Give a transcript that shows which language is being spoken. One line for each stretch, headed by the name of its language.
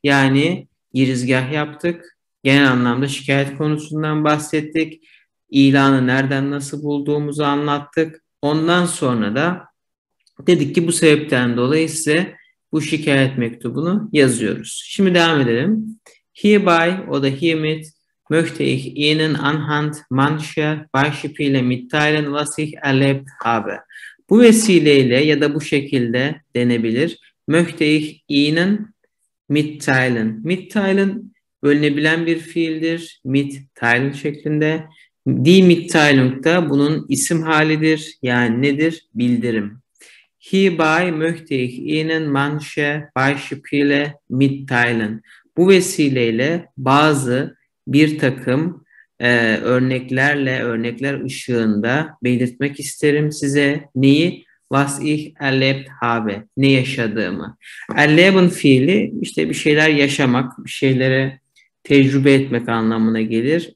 Turkish: Yani girizgah yaptık. Genel anlamda şikayet konusundan bahsettik. İlanı nereden nasıl bulduğumuzu anlattık. Ondan sonra da dedik ki bu sebepten dolayı size bu şikayet mektubunu yazıyoruz. Şimdi devam edelim.
German: Hierby oder hiermit möchte ich Ihnen anhand mancher Beispiele mitteilen, was ich erlebt habe.
Turkish: Bu vesileyle ya da bu şekilde denebilir.
German: Möchte ich Ihnen mitteilen.
Turkish: Mitteilen bölünebilen bir fiildir. Mitteilen şeklinde. Die Mitteilung da bunun isim halidir. Yani nedir? Bildirim.
German: Hierbei möchte ich Ihnen manche Beispiele mitteilen.
Turkish: Bu vesileyle bazı bir takım örneklerle, örnekler ışığında belirtmek isterim size. Neyi?
German: Was ich erlebt habe.
Turkish: Ne yaşadığımı. Erleben fiili işte bir şeyler yaşamak, bir şeylere tecrübe etmek anlamına gelir.